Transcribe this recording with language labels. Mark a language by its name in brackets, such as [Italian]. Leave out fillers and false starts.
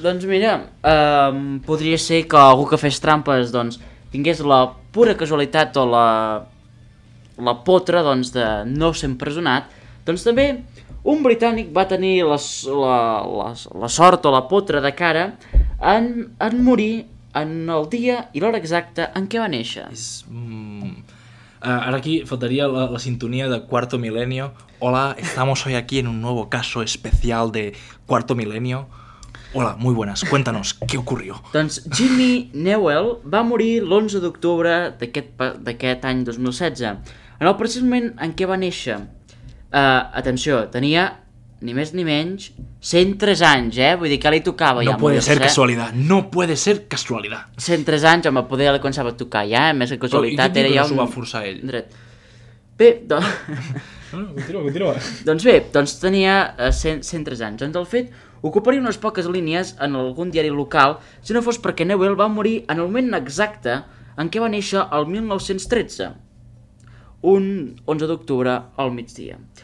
[Catalan] Doncs mira, podria ser que algú que fes trampes, doncs, tingués la pura casualitat o la potra, doncs, de no ser empresonat. Doncs també... Un britànic va tenir la sort o la potra de cara en morir en el dia i l'hora exacta en què va néixer. És... ara aquí faltaria la sintonia de [Spanish] Cuarto Milenio. Hola, estamos hoy aquí en un nuevo caso especial de Cuarto Milenio. Hola, muy buenas, cuéntanos, ¿qué ocurrió? [Catalan] Doncs Jimmy Newell va morir l'11 d'octubre d'aquest any 2016. En el precís moment en què va néixer, atenció, tenia ni més ni menys 103 anys, eh? Vull dir que li tocava no ja. [Spanish] No puede ser casualidad, no puede ser casualidad. [Catalan] 103 anys, home, poder li començava a tocar ja, més que casualitat. Però, era ja un... s'ho va forçar ell? Dret. Bé, doncs... continua. Doncs bé, doncs tenia 103 anys. Doncs el fet ocuparia unes poques línies en algun diari local si no fos perquè Newell va morir en el moment exacte en què va néixer el 1913, un 11 d'octubre al migdia.